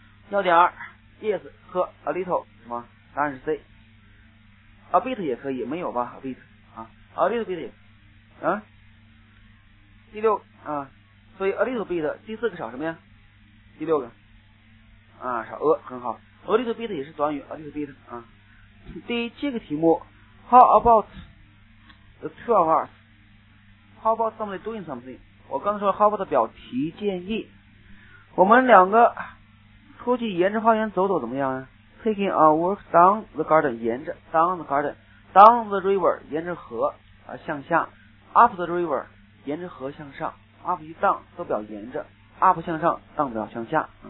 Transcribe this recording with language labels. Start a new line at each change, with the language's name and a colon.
Chinese: 要点儿 yes 喝 a little 什么，答案是 C， a bit 也可以，没有吧 a bit 啊， a little bit 啊，第六啊，所以 a little bit 第四个少什么呀，第六个啊少 a， 很好， a little bit 也是短语 a little bit 啊。
English: 第七个题目 How about the two of us? How about somebody doing something?
Chinese: 我刚才说了 How about 的表题建议，我们两个出去沿着花园走走怎么样啊？
English: Taking a walk down the garden， 沿着 down the garden， down the river，
Chinese: 沿着河、向下，
English: up the river，
Chinese: 沿着河向上，
English: up 一 down 都表沿着， up 向上， down 表向下、